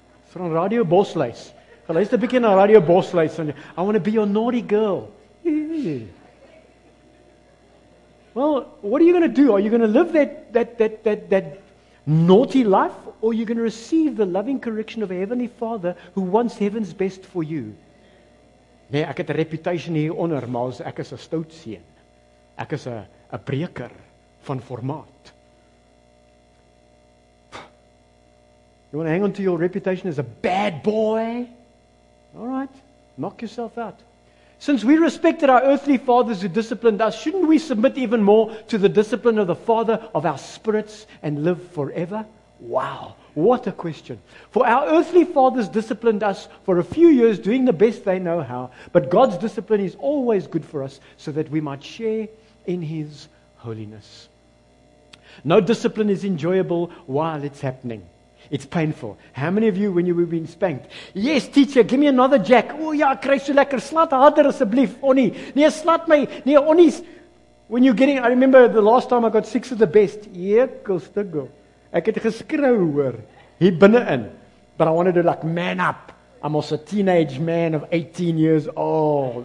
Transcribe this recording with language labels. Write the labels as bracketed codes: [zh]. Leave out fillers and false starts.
[en] It's from Radio Bosleis. [af] Geluister 'n bietjie na Radio Bosleis. [en] "I want to be your naughty girl." Well, what are you going to do? Are you going to live that naughty life? Or are you going to receive the loving correction of a Heavenly Father who wants heaven's best for you? [af] Nee, ek het 'n reputation hier onder, maar ek is 'n stout seun. Ek is 'n breker van formaat. [en] You want to hang on to your reputation as a bad boy? All right, knock yourself out. "Since we respected our earthly fathers who disciplined us, shouldn't we submit even more to the discipline of the Father of our spirits and live forever?" Wow, what a question. "For our earthly fathers disciplined us for a few years, doing the best they know how, but God's discipline is always good for us, so that we might share in His holiness. No discipline is enjoyable while it's happening. It's painful." How many of you, when you were being spanked, "Yes, teacher, give me another jack. [af] Oh, ja, kry so lekker. Slaat harder asseblief, Onnie. Nee, slaat my. Nee, Onnie's." [en] When you're getting, I remember the last time I got 6 of the best. [af] Ekelstig. Ek het geskreeu hoor, hier binne-in. [en] But I wanted to like man up. I'm also a teenage man of 18 years old.